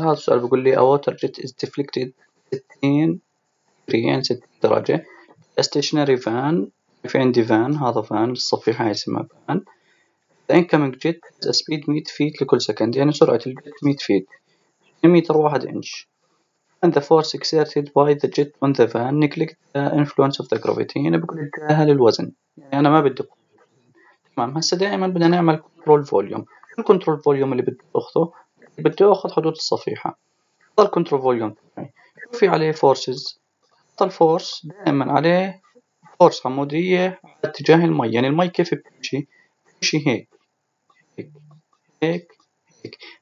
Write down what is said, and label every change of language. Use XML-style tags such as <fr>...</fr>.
<ar>هذا السؤال بيقول لي:</ar> <en>A water jet is deflected 60 degree</en> <ar>يعني 60 درجة.</ar> <en>A stationary van,</en> <ar>في عندي فان، هذا فان الصفيحة هاي اسمها فان.</ar> <en>The incoming jet has a speed 100 feet</en> <ar>لكل سكند، يعني سرعة الجت 100 feet، متر واحد إنش.</ar> <en>And the force exerted by the jet on the van neglect the influence of the gravity،</en> <ar>يعني بيقول لي تجاهل الوزن، يعني أنا ما بدي تمام. هسه دائما بدنا نعمل control volume. الكنترول فوليوم اللي بدي اخذ حدود الصفيحه. هذا الكنترول فوليوم في عليه فورسز، الفورس دائما عليه فورس عموديه باتجاه المي، يعني المي كيف بتمشي؟ بتمشي هيك هيك هيك هيك.</ar>